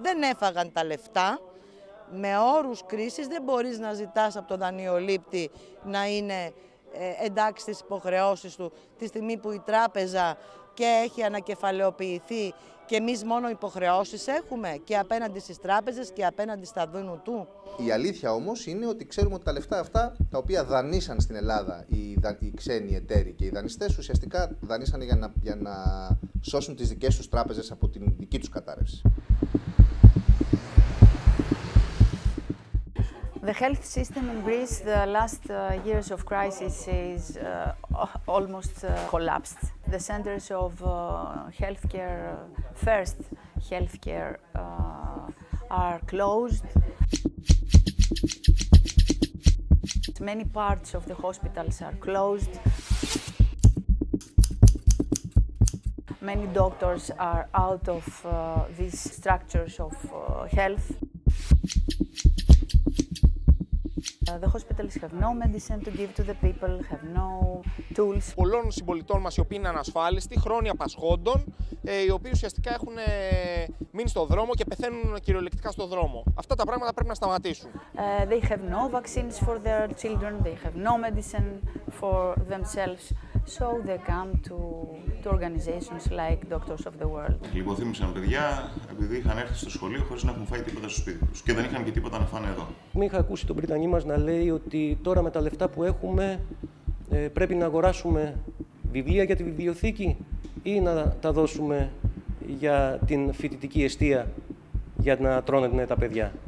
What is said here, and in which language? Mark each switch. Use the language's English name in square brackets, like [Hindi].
[Greek] Δεν έφαγαν τα λεφτά. Με όρους κρίσης δεν μπορείς να ζητάς από τον δανειολήπτη να είναι εντάξει στις υποχρεώσεις του τη στιγμή που η τράπεζα και έχει ανακεφαλαιοποιηθεί και εμείς μόνο υποχρεώσεις έχουμε και απέναντι στις τράπεζες και απέναντι στα δούνου του. Η αλήθεια όμως είναι ότι ξέρουμε ότι τα λεφτά αυτά τα οποία δανείσαν στην Ελλάδα οι ξένοι εταίροι και οι δανειστές ουσιαστικά δανείσαν για να σώσουν τις δικές τους τράπεζες από την δική τους κατάρρευση. [English] The health system in Greece the last years of crisis is almost collapsed. The centers of healthcare, first healthcare, are closed. Many parts of the hospitals are closed. Many doctors are out of these structures of health. The hospitals have no medicine to give to the people, have no tools. [Greek] Πολλών συμπολιτών μας οι οποίοι είναι ανασφάλιστοι, χρόνια πασχόντων, οι οποίοι ουσιαστικά έχουν μείνει στο δρόμο και πεθαίνουν κυριολεκτικά στο δρόμο. Αυτά τα πράγματα πρέπει να σταματήσουν. [English] They have no vaccines for their children, they have no medicine for themselves, so they come to organizations like Doctors of the World. [Greek] Λιποθύμησαν παιδιά επειδή είχαν έρθει στο σχολείο χωρίς να έχουν φάει τίποτα στο σπίτι τους και δεν είχαν και τίποτα να φάνε εδώ. Μην είχα ακούσει τον Πριτανή μας να λέει ότι τώρα με τα λεφτά που έχουμε πρέπει να αγοράσουμε βιβλία για τη βιβλιοθήκη ή να τα δώσουμε για την φοιτητική εστία για να τρώνε τα παιδιά.